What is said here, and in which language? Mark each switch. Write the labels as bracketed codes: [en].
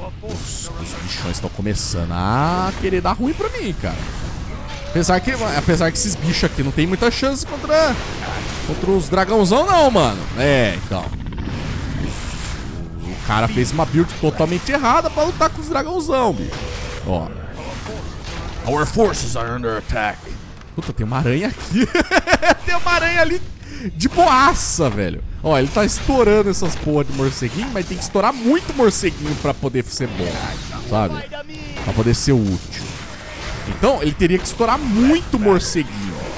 [pt] Os bichões estão começando a querer dar ruim pra mim, cara. Apesar que esses bichos aqui não tem muita chance contra os dragãozão, não, mano. É, então. O cara fez uma build totalmente errada pra lutar com os dragãozão, bicho. Ó. [en] Our forces are under attack. [pt] Puta, tem uma aranha aqui. Tem uma aranha ali de boaça, velho. Ó, ele tá estourando essas porra de morceguinho, mas tem que estourar muito morceguinho pra poder ser bom, sabe? Pra poder ser útil. Então, ele teria que estourar muito morceguinho.